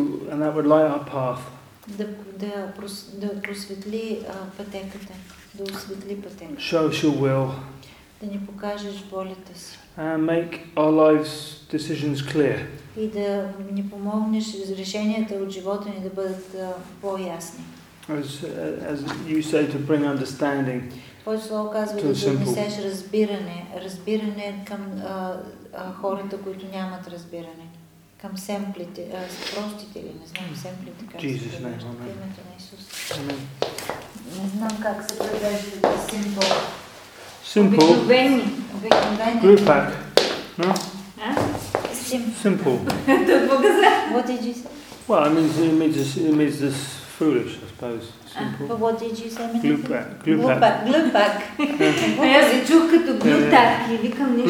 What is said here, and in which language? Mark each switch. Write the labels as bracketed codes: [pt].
[en] And that would light our path. [bg] Да просветли пътеката. Да осветли пътеката. [en] Show us your will. [bg] Да ни покажеш волята си. [en] And make our lives decisions clear. [bg] И да ни помогнеш решенията от живота ни да бъдат по-ясни. [en] As you say, to bring understanding. [bg] Твоето слово казва да донесеш разбиране, разбиране към хората, които нямат разбиране. Към семплите, простите ли, не знам, семплите как [en] Jesus [bg] се превеждат името на Исус. [en] Amen. [bg] Не знам как се превеждат simple. [en] Simple. [bg] Обикновени. [en] Group pack. No? Simple. What did you say? Well, it means this foolish, I suppose. But what did you say? [bg] Glupak. Аз се чух като глутак и викам нещо.